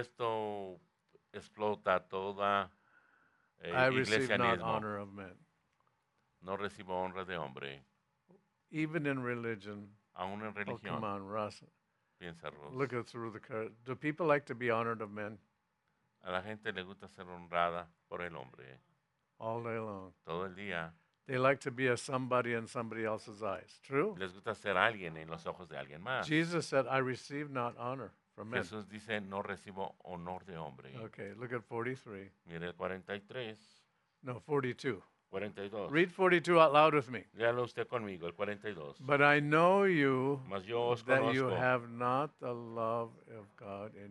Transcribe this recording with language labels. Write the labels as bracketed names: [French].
[Spanish] Esto explota toda, [English] I receive not honor of men. [Spanish] No recibo honra de hombre. [English] Even in religion. [Spanish] Aún en religión. [English] Oh, come on, Russ. [Spanish] Piensa, Russ. [English] Look at through the curtain. Do people like to be honored of men? [Spanish] A la gente le gusta ser honrada por el hombre. [English] All day long. [Spanish] Todo el día. [English] They like to be a somebody in somebody else's eyes. True? [Spanish] Les gusta ser alguien en los ojos de alguien más. [English] Jesus said, I receive not honor from men. [Spanish] Jesús dice, no recibo honor de hombre. [English] Okay, look at 43. [Spanish] Mire el 43. [English] No, 42. 42. Read 42 out loud with me. [Spanish] Léalo usted conmigo, el 42. [English] But I know you [Spanish] Mas yo os [English] that you have not the love of God in